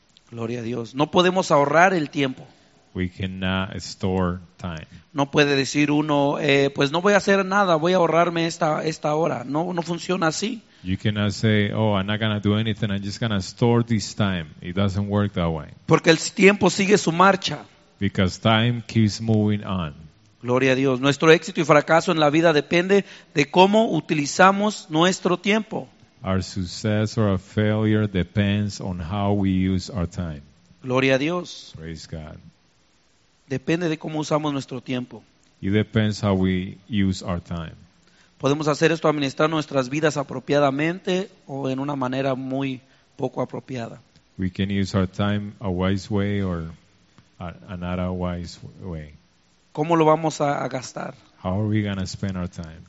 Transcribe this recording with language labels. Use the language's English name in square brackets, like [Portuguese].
[Spanish] Gloria a Dios. No podemos ahorrar el tiempo. [English] We cannot store time. [Spanish] No puede decir uno, pues no voy a hacer nada, voy a ahorrarme esta hora. No, no funciona así. [English] You cannot say, oh, I'm not gonna do anything. I'm just gonna store this time. It doesn't work that way. [Spanish] Porque el tiempo sigue su marcha. [English] Because time keeps moving on. [Spanish] Gloria a Dios. Nuestro éxito y fracaso en la vida depende de cómo utilizamos nuestro tiempo. [English] Our success or our failure depends on how we use our time. [Spanish] Gloria a Dios. [English] Praise God. [Spanish] Depende de cómo usamos nuestro tiempo. [English] It depends how we use our time. [Spanish] Podemos hacer esto administrando nuestras vidas apropiadamente o en una manera muy poco apropiada. [English] We can use our time a wise way or another wise way. [Spanish] ¿Cómo lo vamos a gastar? [English] How are we gonna spend our time?